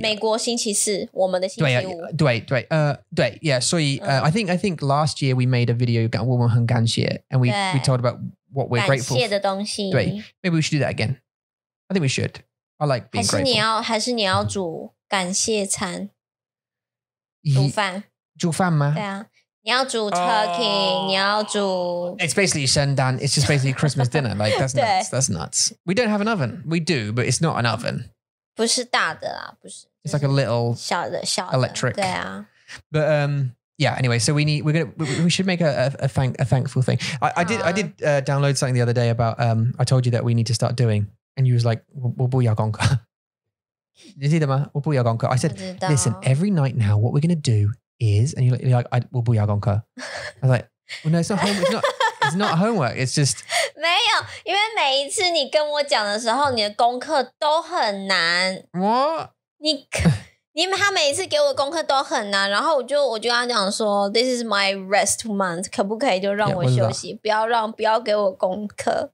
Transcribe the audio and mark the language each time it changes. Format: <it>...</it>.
<zh>美国星期四，我们的星期五。对对对，对 ，Yeah. 所以、</zh> <en>嗯、I think last year we made a video,</en> <zh>我们很感谢</zh> <en>and we talked about what we're grateful for.</en> <zh>感谢的东西。</zh> <en>对 ，Maybe we should do that again. I think we should. I like being</en> <zh>还是你要还是你要煮感谢餐煮饭煮饭吗对啊你要煮 turkey、oh, 你要煮</zh> <en>It's basically 圣诞 It's just basically Christmas dinner. Like, that's nuts. That's nuts. We don't have an oven. We do, but it's not an oven.</en> <zh>不是大的啦不是</zh> <en>It's like a little</en> <zh>小的小的</zh> <en>electric.</en> <zh>对啊</zh> <en>But, yeah, anyway, so we should make a thankful thing. I did download something the other day about, I told you that we need to start doing. And you was like,</en> <zh>我不要功课。你记得吗?我不要功课。</zh> <en>I said, listen, every night now, what we're going to do is, and you're like,</en> <zh>我不要功课。</zh> <en>I was like, well, no, it's not homework. It's not homework. It's just...</en> <zh>没有,因为每一次你跟我讲的时候,你的功课都很难。</zh> <en>What?</en> <zh>他每一次给我功课都很难,然后我就跟他讲说,</zh> <en>this is my rest month,</en> <zh>可不可以就让我休息,不要给我功课。</zh>